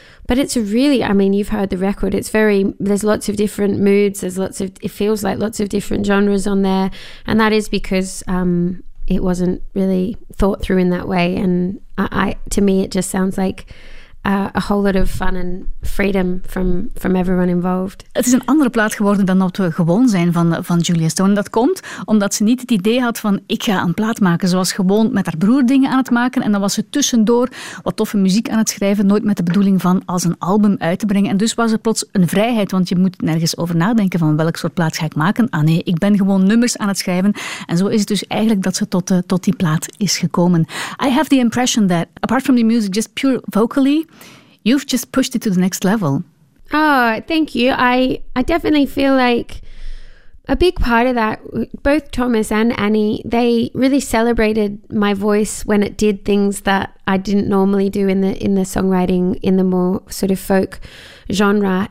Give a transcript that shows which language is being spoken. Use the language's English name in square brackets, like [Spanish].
[English] But it's really, I mean, you've heard the record. It's very, there's lots of different moods. It feels like lots of different genres on there. And that is because it wasn't really thought through in that way. And to me, it just sounds like a whole lot of fun and freedom from everyone involved. [Dutch] Het is een andere plaat geworden dan wat we gewoon zijn van Julia Stone. Dat komt omdat ze niet het idee had van ik ga een plaat maken. Ze was gewoon met haar broer dingen aan het maken en dan was ze tussendoor wat toffe muziek aan het schrijven, nooit met de bedoeling van als een album uit te brengen. En dus was er plots een vrijheid, want je moet nergens over nadenken van welk soort plaat ga ik maken. Ah nee, ik ben gewoon nummers aan het schrijven. En zo is het dus eigenlijk dat ze tot die plaat is gekomen. [English] I have the impression that apart from the music, just pure vocally, you've just pushed it to the next level. Oh, thank you. I definitely feel like a big part of that, both Thomas and Annie, they really celebrated my voice when it did things that I didn't normally do in the songwriting, in the more sort of folk genre.